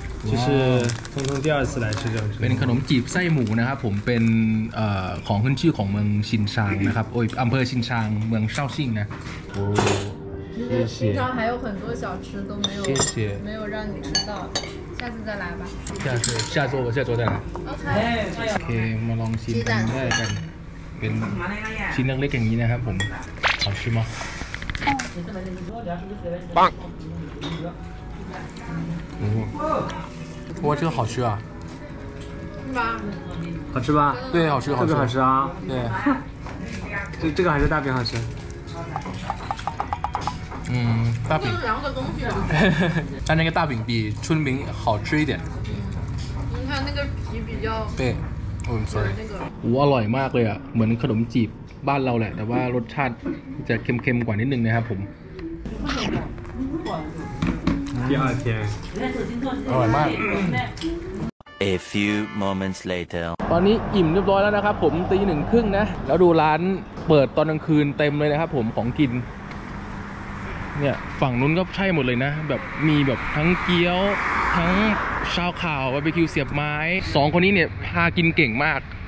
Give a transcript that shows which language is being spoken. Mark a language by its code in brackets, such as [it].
[zh] 就是通通第二次来吃这种， [th] เป็นขนมจีบไส้หมูนะครับผมเป็นของขึ้นชื่อของเมืองชินชางนะครับโอ้ยอำเภอชินชางเมืองเซาซิงนะโ [zh] อ้谢谢平常还有很多小吃都没有让你吃到下次再来吧下次再来 [en] OK [th] มาลองชิม ได้กัน เป็นชิ้นเล็กๆอย่างนี้นะครับผมขอชิมมั้ง [zh] 棒哦，哇，这个好吃啊！是吧？好吃吧？对，好吃，好吃，好吃啊！对，这个还是大饼好吃。嗯，大饼。这两个东西啊。但那个大饼比春饼好吃一点。你看那个皮比较。对，我们说的。哇，好吃啊！ [th] เหมือนขนมจีบบ้านเราแหละ，แต่ว่ารสชาติจะเค็มๆกว่านิดนึงนะครับผม。 [zh] 第二天 [th] อร่อยมาก [en] A few moments later [th] ตอนนี้อิ่มเรียบร้อยแล้วนะครับผม 1:30 นะแล้วดูร้านเปิดตอนกลางคืนเต็มเลยนะครับผมของกินเนี่ยฝั่งนู้นก็ใช่หมดเลยนะแบบมีแบบทั้งเกี๊ยวทั้งชาวข่าวบาร์บีคิวเสียบไม้2คนนี้เนี่ยพากินเก่งมาก